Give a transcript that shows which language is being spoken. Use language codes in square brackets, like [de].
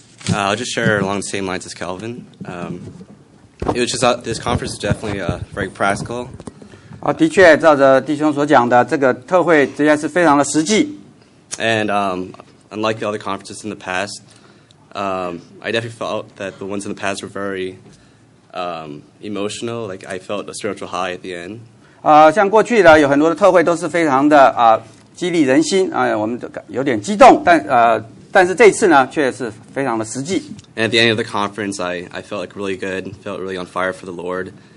[en] I'll just share along the same lines as Calvin. It was just this conference is definitely very practical. [zh] 的确，照着弟兄所讲的，这个特会实际上是非常的实际。 [en] And unlike the other conferences in the past, I definitely felt that the ones in the past were very emotional. Like I felt a spiritual high at the end. [zh] 像过去的有很多的特会都是非常的激励人心，我们有点激动，但是这次呢，却是非常的实际。 [en] And at the end of the conference, I felt like really good, felt really on fire for the Lord.